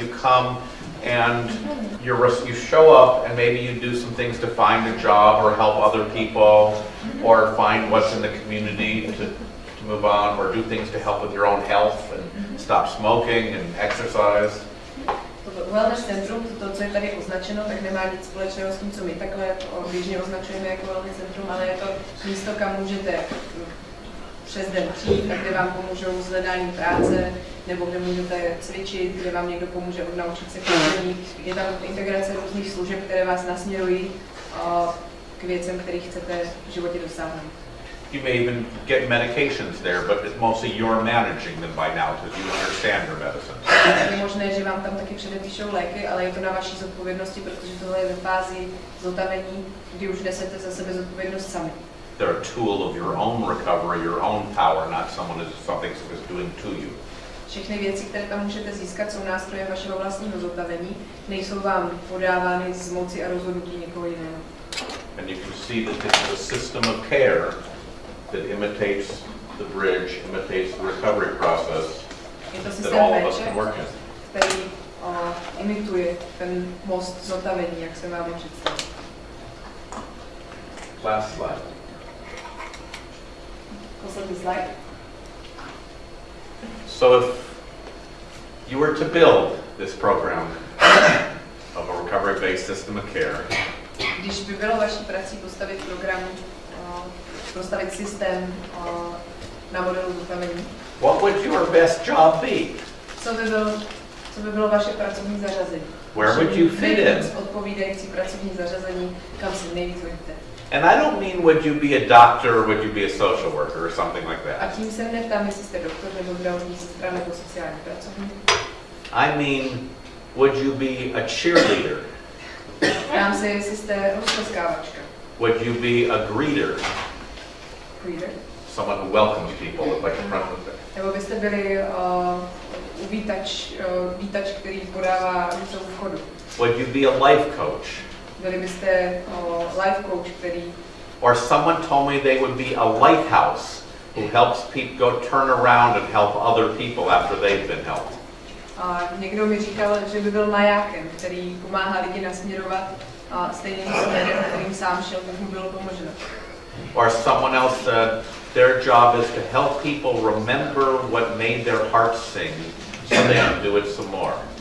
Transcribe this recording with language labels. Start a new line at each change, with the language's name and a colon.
English: You come and you show up and maybe you do some things to find a job or help other people or find what's in the community to move on or do things to help with your own health and stop smoking and exercise.
Czech: Wellness centrum, to, co je tady označeno, tak nemá nic společného s tím, co my takhle běžně označujeme jako wellness centrum, ale je to místo, kam můžete přes den přijít, kde vám pomůžou s hledáním práce, nebo kde můžete cvičit, kde vám někdo pomůže odnaučit se chodit. Je tam integrace různých služeb, které vás nasměrují k věcem, které chcete v životě dosáhnout.
English: You may even get medications there, but it's mostly you're managing them by now because you understand your medicine.
Czech: Je možné, že vám tam taky předepíšou léky, ale je to na vaší zodpovědnosti, protože tohle je ve fázi zotavení, kdy už nesete za sebe zodpovědnost sami.
English: They're a tool of your own recovery, your own power, not something someone is doing to you.
Czech: Všechny věci, které tam můžete získat, jsou nástroje vašeho vlastního zotavení, nejsou vám podávány z moci a rozhodnutí někoho jiného.
English: And you can see that this is a system of care that imitates the bridge, imitates the recovery process that all of us can work in.
Czech: Který imituje ten most zotavení, jak jsem vám představil.
English: Last slide.
Czech: Poslední slide.
English: So if you were to build this program of a recovery-based system of care,
Czech: když by bylo vaší prací postavit program postavit systém na modelu zotavení.
English: What would your best job be?
Czech: Co by bylo vaše pracovní zařazení?
English: Where would you fit in?
Czech: Odpovídající pracovní zařazení, kam se nejvíc hodíte.
English: And I don't mean would you be a doctor or would you be a social worker or something like that.
Czech: A tím se neptám, jestli jste doktor nebo zdravotní sestra nebo sociální pracovník.
English: I mean would you be a cheerleader?
Czech: Ptám se, jestli jste rozpleskávačka.
English: Would you be a greeter? Reader. Someone who welcomes people at like a front of it.
Czech: Nebo byste byli vítač, který podává ruce u vchodu.
English: Would you be a life coach?
Czech: Byli byste life coach, který...
English: Or someone told me they would be a lighthouse who helps people go turn around and help other people after they've been helped.
Czech: A někdo mi říkal, že by byl majákem, který pomáhá lidi nasměrovat stejným směrem, kterým sám šel, tak mu bylo pomoženo.
English: Or someone else said their job is to help people remember what made their hearts sing so they can do it some more.